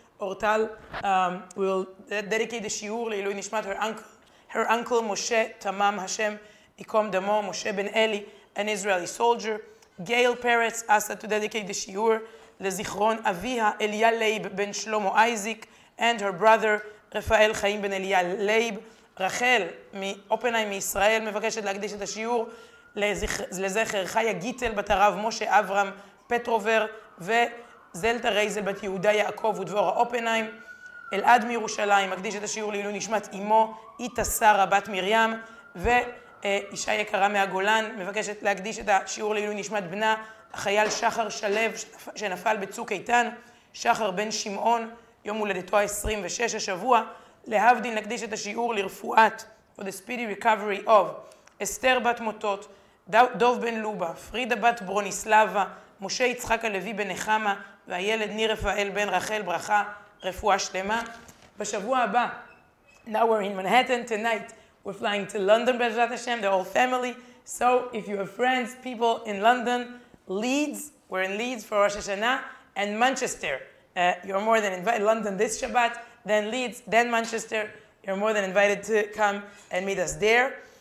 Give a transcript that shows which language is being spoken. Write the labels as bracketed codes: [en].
[en] Ortal will dedicate the shiur le'ilui nishmat her uncle Moshe Tamam Hashem Ikom Damo Moshe Ben Eli, an Israeli soldier. Gail Peretz asked her to dedicate the shiur lezichron aviha Elia Leib ben Shlomo Isaac and her brother Rafael Chaim ben Elia Leib. [he] Rachel מאופנהיים מישראל מבקשת להקדיש את השיעור לזכר חיה גיטל בת הרב משה אברהם פטרובר וזלטה רייזל בת יהודה יעקב ודבורה אופנהיים. אלעד מירושלים מקדיש את השיעור לעילוי נשמת אמו איתה שרה בת מרים ו אישה יקרה מהגולן, מבקשת להקדיש את השיעור לעילוי נשמת בנה, החייל שחר שלב שנפל בצוק איתן, שחר בן שמעון, יום הולדתו ה-26 השבוע, להבדין להקדיש את השיעור לרפואת, [en] for the speedy recovery of, [he] אסתר בת מוטות, דוב בן לובה, פרידה בת ברוניסלבה, משה יצחק הלוי בן נחמה, והילד ניר רפאל בן רחל, ברכה, רפואה שלמה. בשבוע הבא, [en] now we're in Manhattan tonight, we're flying to London, Bezrat Hashem, the whole family. So if you have friends, people in London, Leeds, we're in Leeds for Rosh Hashanah, and Manchester, you're more than invited. London this Shabbat, then Leeds, then Manchester, you're more than invited to come and meet us there.